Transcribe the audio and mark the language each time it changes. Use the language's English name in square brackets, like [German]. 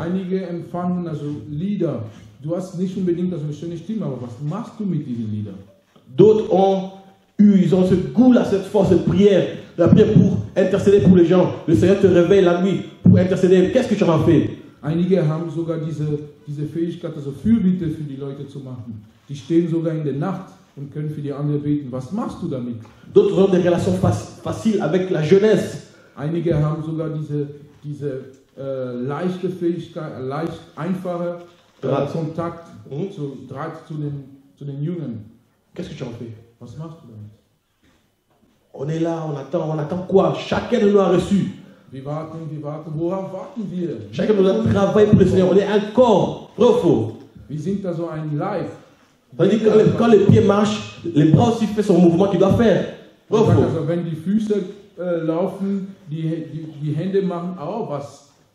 [German] Einige empfangen also Lieder. Du hast nicht unbedingt eine schöne Stimme, aber was machst du mit diesen Liedern? [French] D'autres ont eu, ils ont ce goût-là, cette force de prière, la prière pour intercéder pour les gens. Le Seigneur te réveille la nuit pour intercéder. Qu'est-ce que tu vas faire? [German] Einige haben sogar diese Fähigkeit, also Fürbitte für die Leute zu machen. Die stehen sogar in der Nacht und können für die anderen beten. Was machst du damit? [French] D'autres ont des relations faciles avec la jeunesse. [German] Einige haben sogar diese leichte Fähigkeit, leicht einfache Kontakt zu Draht zu den Jungen. [French] Qu'est-ce que tu en fais? [German] Was machst du damit? [French] On est là, on attend quoi? Chacun de nous a reçu. [German] Wir warten. Worauf warten wir? [French] Chacun de nous a travaillé pour le Seigneur. On est un corps, profond. [German] Wir sind also ein Leib. [French] C'est-à-dire que quand les pieds marchent, les bras aussi font son mouvement qu'il doit faire. Profond. [German] Also, wenn die Füße laufen, die Hände machen auch was.